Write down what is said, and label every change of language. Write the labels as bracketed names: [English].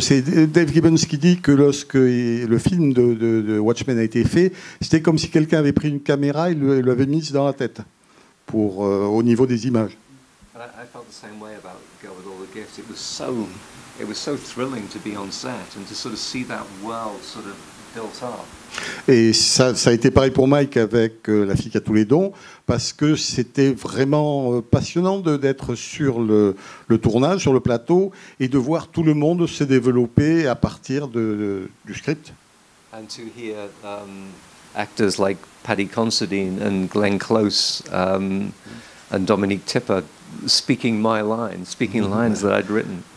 [French] C'est Dave Gibbons qui dit que lorsque le film de Watchmen a été fait, c'était comme si quelqu'un avait pris une caméra et l'avait mise dans la tête pour au niveau des images. [English] I felt the same way about Girl with All the Gifts. It was so thrilling to be on set and to sort of see that world sort of built up. [French] Et ça a été pareil pour Mike avec La fille qui a tous les dons, parce que c'était vraiment passionnant d'être sur le tournage, sur le plateau, et de voir tout le monde se développer à partir du script. [English] And to hear actors like Paddy Considine and Glenn Close and Dominique Tipper speaking my lines, speaking lines that I'd written.